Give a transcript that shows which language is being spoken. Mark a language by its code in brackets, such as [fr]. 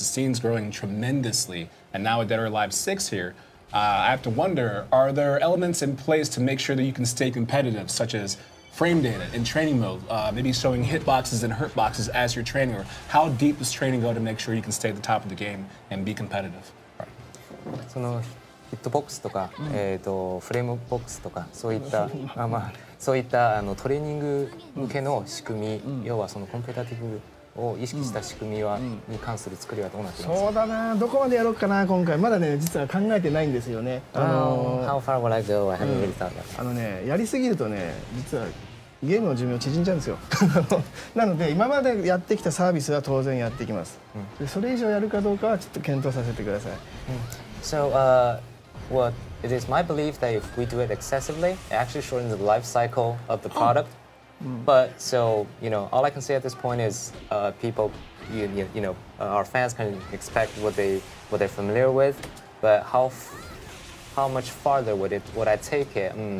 [en] The scene's growing tremendously, and now with Dead or Alive 6 here, I have to wonder, are there elements in place to make sure that you can stay competitive, such as frame data in training mode, maybe showing hitboxes and hurtboxes as you're training, or how deep does training go to make sure you can stay at the top of the game and be competitive? [ja] そのヒットボックスとか、フレームボックスとか、そういった、そういったトレーニング向けの仕組み、要はそのコンペタティブを意識した仕組みは、に関する作りはどうなってますか？そうだな、どこまでやろうかな、今回。まだね、実は考えてないんですよね。 [en] How far will I go? I haven't really thought about it. [ja] あのね、やりすぎるとね、実はゲームの寿命縮んじゃうんですよ。なので、今までやってきたサービスは当然やっていきます。で、それ以上やるかどうかはちょっと検討させてください。 [en] So, well, it is my belief that if we do it excessively, it actually shortens the life cycle of the product. But so, you know, all I can say at this point is people, our fans can expect what they're familiar with, but how much farther would I take it?